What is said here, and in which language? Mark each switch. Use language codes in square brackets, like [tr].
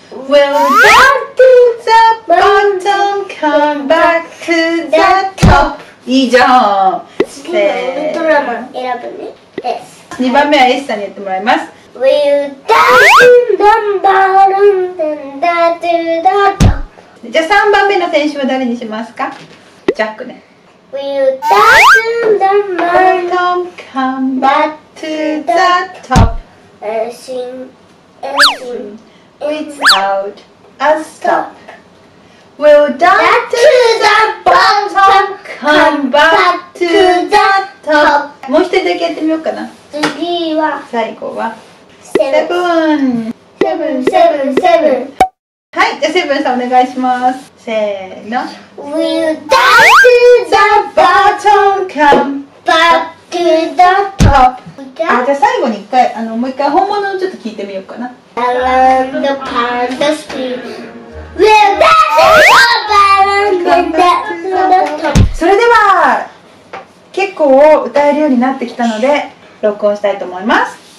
[en] We'll dive to the bottom, come back to the top. [ja] いいじゃん。次のウルトラマン選ぶね。 S。 2番目はエスさんにやってもらいます。 [en] We'll dive to the bottom, come back to the top. [ja] じゃあ3番目の選手は誰にしますか。ジャックね。 [en] Will you dive in the bottom, come back to the top? Everything without a stop. Will you dive to the bottom, come back to the top? [ja] もう一人だけやってみようかな。次は最後は 7。はい、じゃあセブンさんお願いします。せーの。 [en] Will you dive to the bottom, come back to the top? [ja] あ、じゃあ最後に一回、あの、もう一回本物をちょっと聞いてみようかな。 [en] Around the panda screen. Will you dive to the bottom, come back to the top? [ja] それでは、結構歌えるようになってきたので録音したいと思います。